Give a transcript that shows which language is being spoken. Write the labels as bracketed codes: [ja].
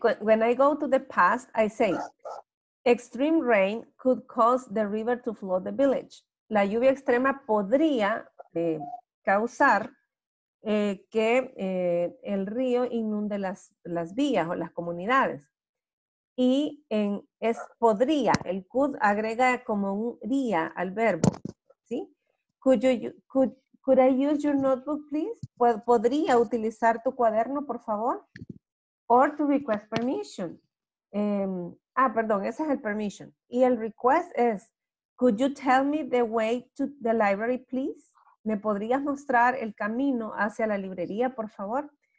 [en] Ok, when I go to the past, I say, extreme rain could cause the river to flood the village. [es] La lluvia extrema podría causar que el río inunde las vías o las comunidades. Y en es podría, el could agrega como un día al verbo, ¿sí? [en] Could I use your notebook, please? [es] ¿Podría utilizar tu cuaderno, por favor? [en] Or to request permission. [es] Perdón, ese es el permission. Y el request es, [en] could you tell me the way to the library, please? [es] ¿Me podrías mostrar el camino hacia la librería, por favor?